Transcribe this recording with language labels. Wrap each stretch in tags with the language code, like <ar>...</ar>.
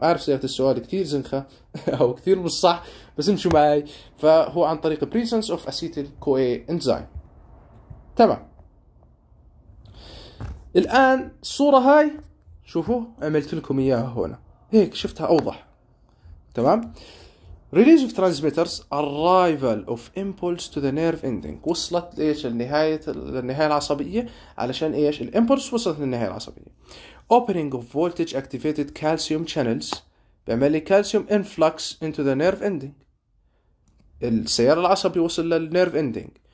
<ar>اعرف صيغه السؤال كثير زنخه او كثير مش صح، بس امشوا معي. فهو عن طريق</ar> <en>presence of acetyl co A enzyme,</en> <ar>تمام. الان الصوره هاي شوفوا عملت لكم اياها هنا هيك، شفتها اوضح، تمام.</ar> <en>Release of transmitters arrival of impulse to the nerve ending.</en> <ar>وصلت ليش النهاية العصبية؟ علشان إيش؟</ar> <en>The impulse</en> <ar>وصلت للنهاية العصبية.</ar> <en>Opening of voltage activated calcium channels.</en> <ar>بعمل لي</ar> <en>calcium influx into the nerve ending.</en> <ar>السيار العصبي وصل</ar> <en>للnerve ending.</en>